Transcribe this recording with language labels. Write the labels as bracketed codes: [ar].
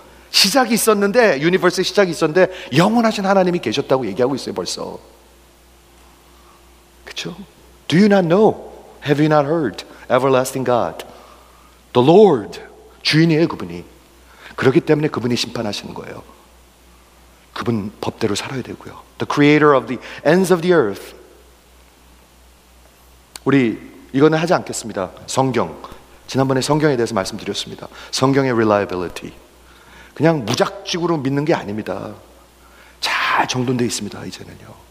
[ko] 시작이 있었는데 유니버스의 시작이 있었는데 영원하신 하나님이 계셨다고 얘기하고 있어요 벌써. 그쵸? [en] Do you not know? Have you not heard? Everlasting God, the Lord, [ko] 주인이에요 그분이. 그렇기 때문에 그분이 심판하시는 거예요. 그분 법대로 살아야 되고요. [en] The creator of the ends of the earth. [ko] 우리 이거는 하지 않겠습니다. 성경. 지난번에 성경에 대해서 말씀드렸습니다. 성경의 reliability. 그냥 무작정으로 믿는 게 아닙니다. 잘 정돈되어 있습니다. 이제는요.